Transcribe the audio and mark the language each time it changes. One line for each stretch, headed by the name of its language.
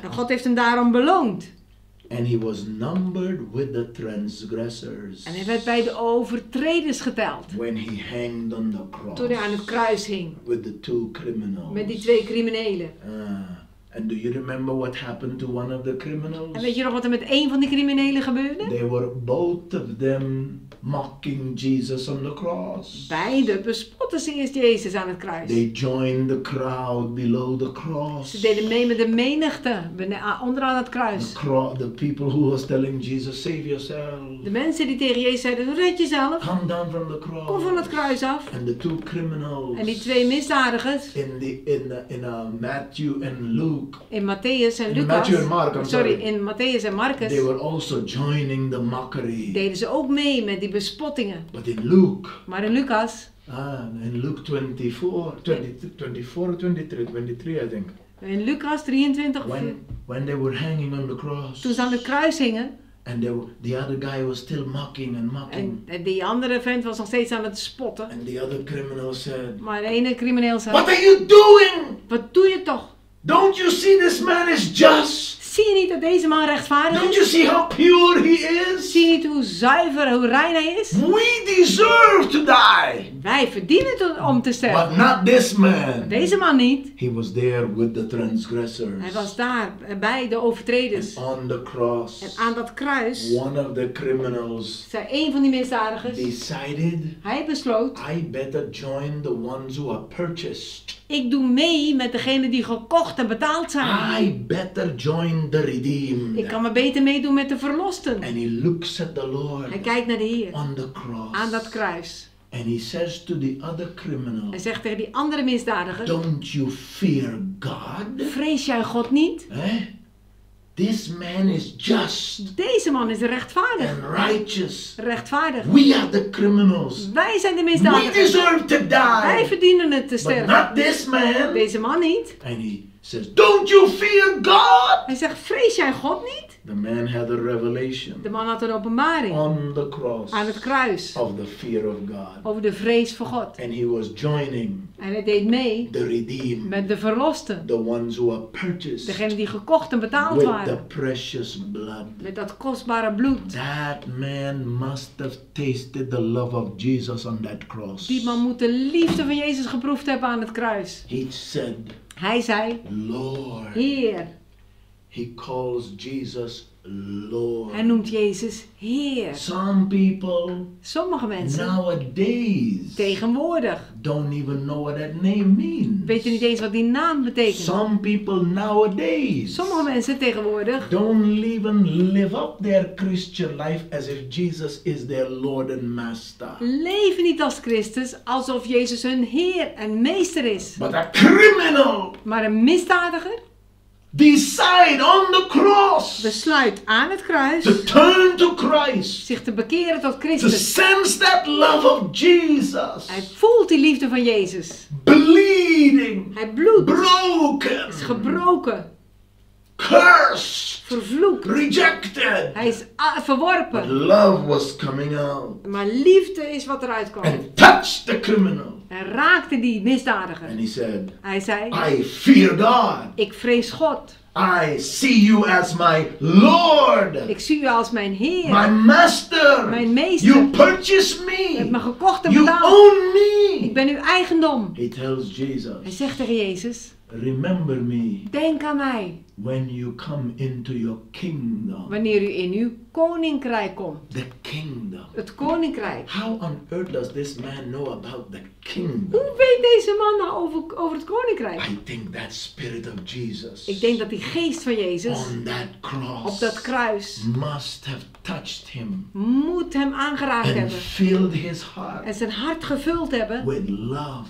Dutch: En God heeft hem daarom beloond.
English: And he was numbered with the transgressors.
Dutch: En hij werd bij de overtreders geteld.
English: When he hanged on the cross.
Dutch: Toen hij aan het kruis hing.
English: With the two criminals.
Dutch: Met die twee criminelen.
English: And do you remember what happened to one of the criminals?
Dutch: En weet je nog wat er met één van die criminelen gebeurde?
English: They were both of them mocking Jesus on the cross.
Dutch: Beide bespotten ze eerst Jezus aan het kruis.
English: They joined the crowd below the cross.
Dutch: Ze deden mee met de menigte onderaan het kruis.
English: The people who was telling Jesus, save yourself.
Dutch: De mensen die tegen Jezus zeiden, red jezelf.
English: Come down from the cross.
Dutch: Kom van het kruis af.
English: And the two criminals.
Dutch: En die twee misdadigers.
English: In Matthew and Luke.
Dutch: In Matthäus en Lucas.
English: Matthew and Mark.
Dutch: In Matthäus en Marcus.
English: They were also joining the mockery.
Dutch: Deden ze ook mee met die bespottingen.
English: But in Luke,
Dutch: maar in Lucas.
English: In Luke 23, I think.
Dutch: In Lucas 23.
English: When they were hanging on the cross.
Dutch: Toen ze aan het kruis hingen.
English: And the other guy was still mocking and mocking.
Dutch: En die andere vent was nog steeds aan het spotten.
English: And the other criminal said.
Dutch: Maar de ene crimineel zei.
English: What are you doing?
Dutch: Wat doe je toch?
English: Don't you see this man is just?
Dutch: Zie je niet dat deze man rechtvaardig is?
English: Don't you see how pure he is?
Dutch: Zie je niet hoe zuiver, hoe rein hij is?
English: We deserve to die.
Dutch: Wij verdienen het om te sterven.
English: But not this man.
Dutch: Deze man niet.
English: He was there with the transgressors.
Dutch: Hij was daar bij de overtreders.
English: And on the cross.
Dutch: En aan dat kruis.
English: One of the criminals.
Dutch: Zei een van die misdadigers.
English: Decided.
Dutch: Hij besloot.
English: I better join the ones who are purchased.
Dutch: Ik doe mee met degene die gekocht en betaald zijn.
English: I better join the redeemed.
Dutch: Ik kan me beter meedoen met de verlosten.
English: And he looks at the Lord.
Dutch: Hij kijkt naar de Heer.
English: On the cross.
Dutch: Aan dat kruis.
English: And he says to the other criminal.
Dutch: Hij zegt tegen die andere misdadiger.
English: Don't you fear God?
Dutch: Vrees jij God niet?
English: Eh? This man is just.
Dutch: Deze man is rechtvaardig.
English: And righteous.
Dutch: Rechtvaardig.
English: We are the criminals.
Dutch: Wij zijn de misdadigers.
English: We deserve to die.
Dutch: Wij verdienen het te sterven.
English: But not this man.
Dutch: Deze man niet.
English: And he says, don't you fear God?
Dutch: Hij zegt, vrees jij God niet?
English: The man had a revelation.
Dutch: De man had een openbaring.
English: On the cross.
Dutch: Aan het kruis.
English: Of the fear of God.
Dutch: Over de vrees voor God.
English: And he was joining.
Dutch: En hij deed mee.
English: The redeemed.
Dutch: Met de verlosten.
English: The ones who are purchased.
Dutch: Degene die gekocht en betaald
English: with
Dutch: waren.
English: The precious blood.
Dutch: Met dat kostbare bloed.
English: That man must have tasted the love of Jesus on that cross.
Dutch: Die man moet de liefde van Jezus geproefd hebben aan het kruis.
English: He said.
Dutch: Hij zei,
English: Lord,
Dutch: Heer.
English: He calls Jesus Lord.
Dutch: Hij noemt Jezus Heer.
English: Some people,
Dutch: sommige mensen,
English: nowadays,
Dutch: tegenwoordig,
English: don't even know what that name means.
Dutch: Weten niet eens wat die naam betekent.
English: Some people nowadays,
Dutch: sommige mensen tegenwoordig,
English: don't even live up their Christian life as if Jesus is their Lord and Master.
Dutch: Leven niet als Christus alsof Jezus hun Heer en Meester is.
English: But a criminal.
Dutch: Maar een misdadiger.
English: Decide on the cross.
Dutch: Besluit aan het kruis.
English: To turn to Christ.
Dutch: Zich te bekeren tot Christus.
English: To sense that love of Jesus.
Dutch: Hij voelt die liefde van Jezus.
English: Bleeding.
Dutch: Hij bloedt.
English: Broken.
Dutch: Is gebroken.
English: Cursed.
Dutch: Vervloekt.
English: Rejected.
Dutch: Hij is verworpen.
English: But love was coming out.
Dutch: Maar liefde is wat eruit kwam.
English: And touched the criminal.
Dutch: En raakte die misdadiger.
English: And he said,
Dutch: hij zei,
English: I fear God.
Dutch: Ik vrees God.
English: I see you as my Lord.
Dutch: Ik zie u als mijn Heer.
English: My Master.
Dutch: Mijn Meester.
English: You purchased me.
Dutch: Je hebt me gekocht en betaald.
English: You own me.
Dutch: Ik ben uw eigendom.
English: He tells Jesus,
Dutch: hij zegt tegen Jezus,
English: remember me.
Dutch: Denk aan mij.
English: When you come into your kingdom.
Dutch: Wanneer u in uw koninkrijk komt.
English: The kingdom.
Dutch: Het koninkrijk.
English: How on earth does this man know about the kingdom?
Dutch: Hoe weet deze man nou over het koninkrijk?
English: I think that spirit of Jesus.
Dutch: Ik denk dat die geest van Jezus.
English: On that cross.
Dutch: Op dat kruis.
English: Must have touched him.
Dutch: Moet hem aangeraakt
English: and
Dutch: hebben.
English: Filled his heart.
Dutch: En zijn hart gevuld hebben.
English: With love.